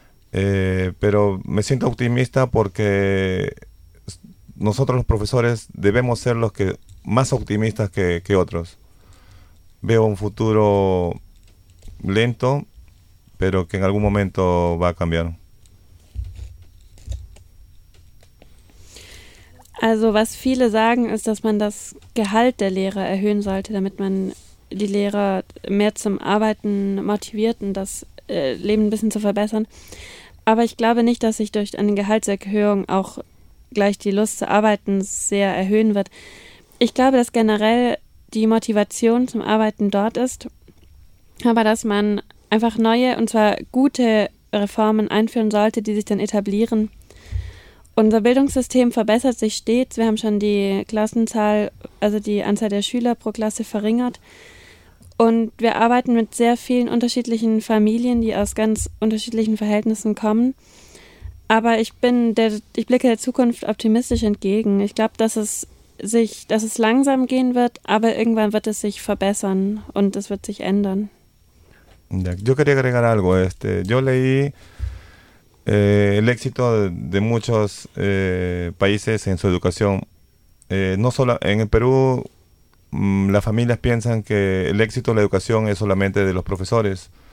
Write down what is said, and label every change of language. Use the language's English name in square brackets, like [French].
[Spanish] Pero me siento optimista porque nosotros los profesores debemos ser los que más optimistas que otros. Veo un futuro lento, pero que en algún momento va a cambiar. [German] Also was viele sagen ist, dass man das Gehalt der Lehrer erhöhen sollte, damit man die Lehrer mehr zum Arbeiten motiviert und das Leben ein bisschen zu verbessern. Aber ich glaube nicht, dass sich durch eine Gehaltserhöhung auch gleich die Lust zu arbeiten sehr erhöhen wird. Ich glaube, dass generell die Motivation zum Arbeiten dort ist, aber dass man einfach neue und zwar gute Reformen einführen sollte, die sich dann etablieren. Unser Bildungssystem verbessert sich stets. Wir haben schon die Klassenzahl, also die Anzahl der Schüler pro Klasse verringert. Und wir arbeiten mit sehr vielen unterschiedlichen Familien, die aus ganz unterschiedlichen Verhältnissen kommen. Aber ich blicke der Zukunft optimistisch entgegen. Ich glaube, dass es langsam gehen wird, aber irgendwann wird es sich verbessern und es wird sich ändern. [Spanish] Yo quería agregar algo. Yo leí el éxito de muchos países en su educación. No solo en el Perú, las familias piensan que el éxito en la educación es solamente de los profesores.